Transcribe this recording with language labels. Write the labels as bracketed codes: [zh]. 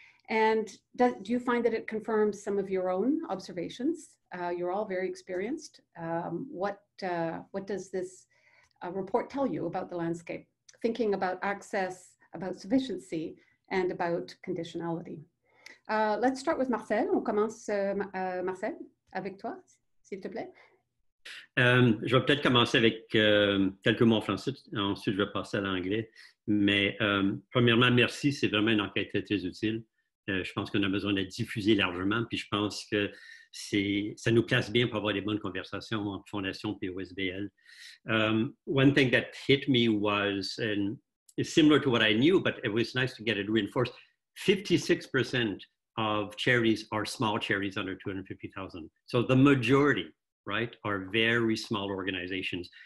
[en] And do you find that it confirms some of your own observations? You're all very experienced. What does this report tell you about the landscape? Thinking about access, about sufficiency, and about conditionality. Let's start with Marcel. [fr] On commence, Marcel, avec toi, s'il te plaît. Je vais peut-être commencer avec quelques mots en français, ensuite je vais passer à l'anglais. Mais premièrement, merci, c'est vraiment une enquête très, très utile. Je pense qu'on a besoin de la diffuser largement, puis je pense que ça nous place bien pour avoir des bonnes conversations entre Fondation et OSBL. [en] One thing that hit me was, and it's similar to what I knew, but it was nice to get it reinforced, 56% of charities are small charities under 250,000. So the majority, right, are very small organizations.